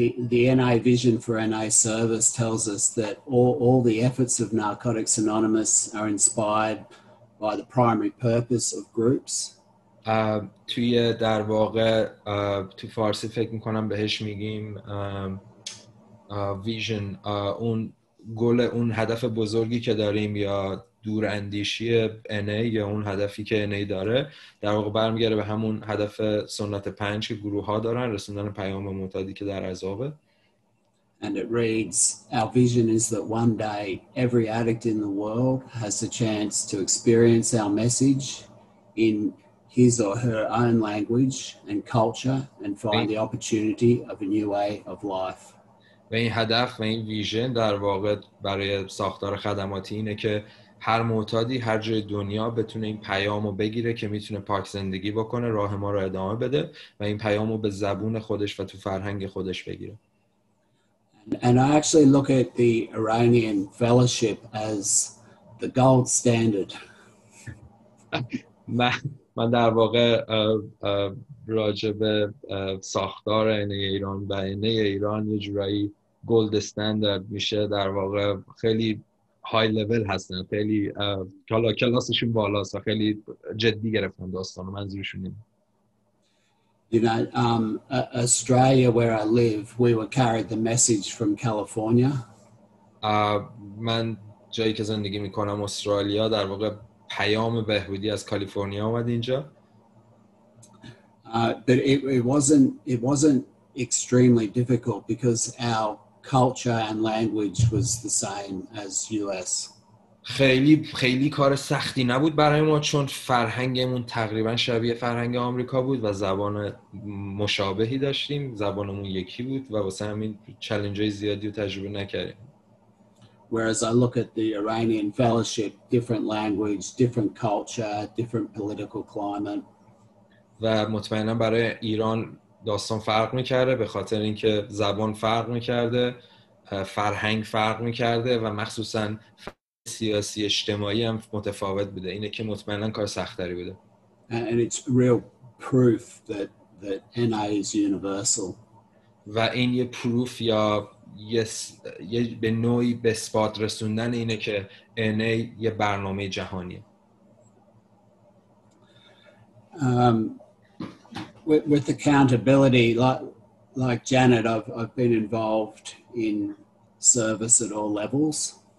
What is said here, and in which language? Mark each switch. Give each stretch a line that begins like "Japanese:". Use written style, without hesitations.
English: The NI vision for NI service tells us that all the efforts of Narcotics Anonymous are inspired by the primary purpose of groups.
Persian: توی در واقع تو فارسی فکر میکنم بهش میگیم ویژن، اون گل، اون هدف بزرگی که داریم یا دور اندیشی NA یا اون هدفی که NA داره در واقع برمیگره به همون هدف سنت پنج که گروه ها دارن، رسوندن پیام به معتادی که در عذابه.
English: And it reads, our vision is that one day every addict in the world has a chance to experience our message in his or her own language and culture and find the opportunity of a new way of life.
Persian: و این هدف و این ویژن در واقع برای ساختار خدماتی اینه که هر معتادی هر جای دنیا بتونه این پیامو بگیره که میتونه پاک زندگی بکنه، راه ما رو ادامه بده و این پیامو به زبون خودش و تو فرهنگ خودش بگیره.
English: And I actually look at the Iranian fellowship as the gold standard.
Persian: من در واقع راجب ساختار NA ایران و NA ایران یه جورایی گولد استاندارد میشه، در واقع خیلی های لول هستن، خیلی کلاسشون بالاست و خیلی جدی گرفتن داستان و منظورشون این.
English: You know, Australia where I live, we were carried the message from California.
Persian: من جایی که زندگی میکنم استرالیا، در واقع پیام بهبودی از کالیفرنیا اومد اینجا.
English: But it wasn't extremely difficult because our culture and language was the same as US.
Persian: خیلی خیلی کار سختی نبود برای ما چون فرهنگمون تقریبا شبیه فرهنگ آمریکا بود و زبان مشابهی داشتیم، زبانمون یکی بود و واسه همین چالش‌های زیادی رو تجربه نکردیم.
English: Whereas I look at the Iranian fellowship, different language, different culture, different political climate.
Persian: و مطمئنم برای ایران داستان فرق میکرده به خاطر اینکه زبان فرق میکرده، فرهنگ فرق میکرده و مخصوصا سیاسی اجتماعی هم متفاوت بوده. اینه که مطمئنم کار سختری بوده.
English: And it's real proof that NA is universal.
Persian: و این یه پروف یا یه به نوعی به اثبات رسوندن اینه که NA یه برنامه جهانیه.
English: With accountability, like Janet, I've been involved in service at all levels.